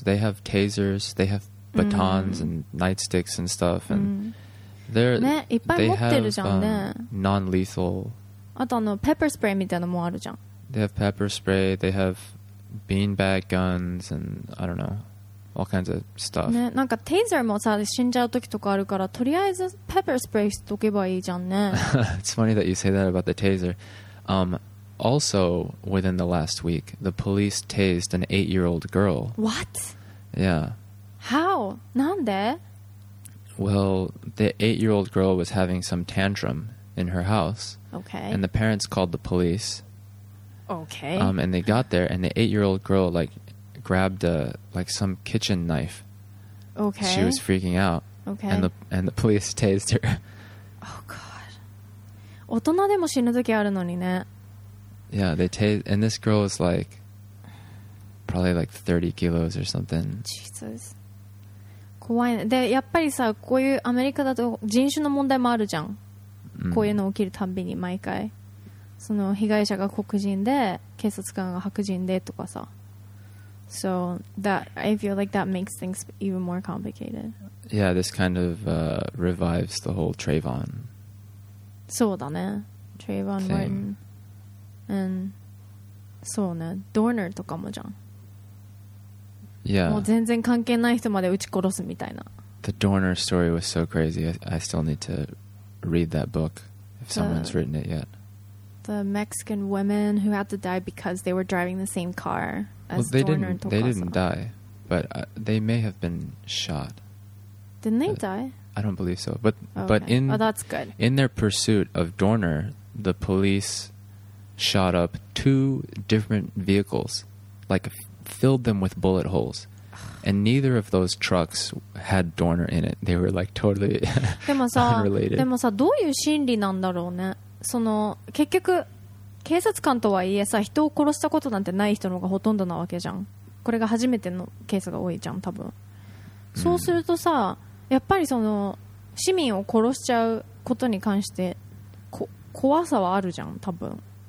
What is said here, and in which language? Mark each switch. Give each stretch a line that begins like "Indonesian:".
English: They have tasers, they have batons and nightsticks and stuff. And they have non-lethal.
Japanese: あとあのペッパースプレーみたいなのもあるじゃん。
English: They have pepper spray, they have beanbag guns and I don't know. All kinds of stuff.
Japanese: ね、なんかテイザーもさ死んじゃう時とかあるからとりあえずペッパースプレーしとけばいいじゃんね。
English: It's funny that you say that about the taser. Also, within the last week, the police tased an 8-year-old girl. What? Yeah. How?
Japanese: なんで?
English: Well, the 8-year-old girl was having some tantrum in her house. Okay. And the parents called the police. Okay. And they got there and the 8-year-old girl likegrabbed a, like some kitchen knife. Okay. She was freaking out. Okay. And the police tased her. Oh god.
Japanese: 大人でも死ぬ時あるのにね。
English: Yeah, they tased, and this girl was like probably like 30 kilos or something. Jesus.
Japanese: 怖いね。で、やっぱりさ、こういうアメリカだと人種の問題もあるじゃん。こういうの起きるたびに毎回。その被害者が黒人で、警察官が白人でとかさ。
English: So that I feel like that makes things even more complicated. Yeah, this kind of revives the whole Trayvon.
Japanese: そうだね。Trayvon Martin. And そうね。 Dorner とかもじゃん。
English: Yeah.
Japanese: もう全然関係ない人まで撃ち殺すみたいな。
English: The Dorner story was so crazy. I still need to read that book if someone's written it yet. The Mexican women who had to die because they were driving the same car. Well, they didn't die, but they may have been shot. Didn't they die? I don't believe so. But, but in, oh, that's good. In their pursuit of Dorner, the police shot up two different vehicles, like filled them with bullet holes. And neither of those trucks had Dorner in it. They were like totally unrelated.
Japanese: でもさ、どういう心理なんだろうね。その、結局…警察官とはいえさ人を殺したことなんてない人の方がほとんどなわけじゃん。これが初めてのケースが多いじゃん多分。そうするとさ、うん、やっぱりその市民を殺しちゃうことに関してこ怖さはあるじゃん多分。